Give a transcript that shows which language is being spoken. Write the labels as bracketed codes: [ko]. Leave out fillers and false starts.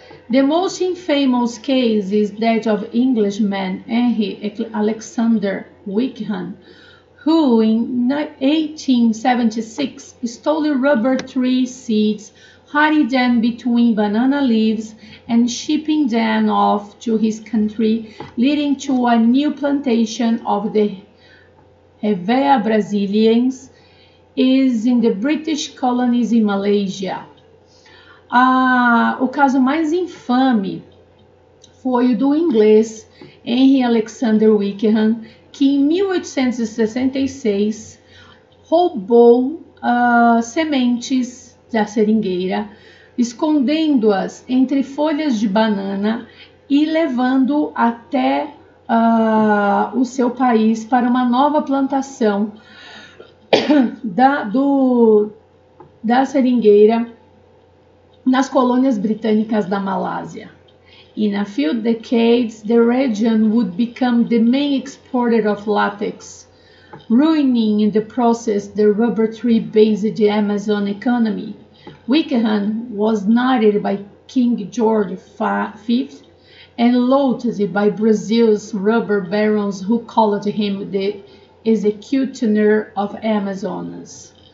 [en] The most infamous case is that of Englishman Henry Alexander Wickham, who in 1876 stole rubber tree seeds, hiding them between banana leaves and shipping them off to his country, leading to a new plantation of the Hevea Brasiliens is in the British colonies in Malaysia. [pt] O caso mais infame foi o do inglês Henry Alexander Wickham, que em 1866 roubou sementes da seringueira, escondendo-as entre folhas de banana e levando até o seu país para uma nova plantação da seringueira nas colônias britânicas da Malásia. [en] In a few decades, the region would become the main exporter of latex, ruining in the process the rubber tree-based Amazon economy. Wickham was knighted by King George V and lauded by Brazil's rubber barons, who called him the executioner of Amazonas.